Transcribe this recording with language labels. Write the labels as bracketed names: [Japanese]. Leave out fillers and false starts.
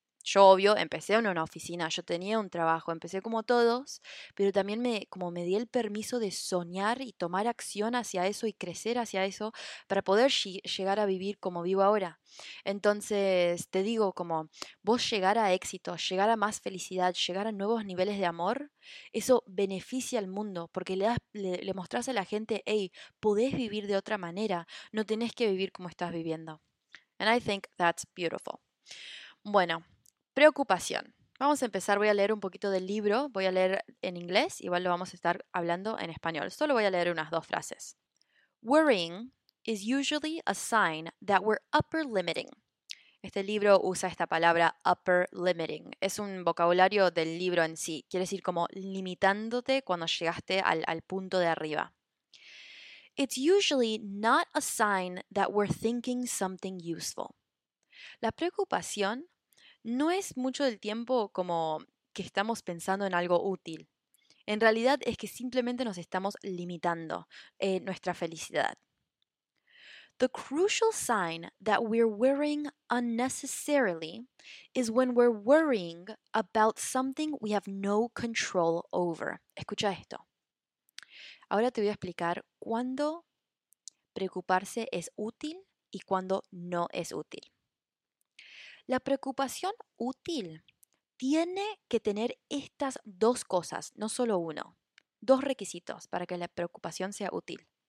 [Spanish] Yo, obvio, empecé en una oficina, yo tenía un trabajo, empecé como todos, pero también como me di el permiso de soñar y tomar acción hacia eso y crecer hacia eso para poder llegar a vivir como vivo ahora. Entonces, te digo, como vos llegar a éxito, llegar a más felicidad, llegar a nuevos niveles de amor, eso beneficia al mundo porque le mostrás a la gente, hey, podés vivir de otra manera, no tenés que vivir como estás viviendo. [English] And I think that's beautiful. [Spanish] Bueno. Preocupación. Vamos a empezar, voy a leer un poquito del libro, voy a leer en inglés, igual lo vamos a estar hablando en español. Solo voy a leer unas dos frases. [English] Worrying is usually a sign that we're upper limiting. [Spanish] Este libro usa esta palabra upper limiting. Es un vocabulario del libro en sí. Quiere decir como limitándote cuando llegaste al punto de arriba. [English] It's usually not a sign that we're thinking something useful. [Spanish] La preocupación no es mucho del tiempo como que estamos pensando en algo útil. En realidad es que simplemente nos estamos limitando nuestra felicidad. [English] The crucial sign that we're worrying unnecessarily is when we're worrying about something we have no control over. [Spanish] Escucha esto. Ahora te voy a explicar cuándo preocuparse es útil y cuándo no es útil. La preocupación útil tiene que tener estas dos cosas, no solo uno, dos requisitos para que la preocupación sea útil.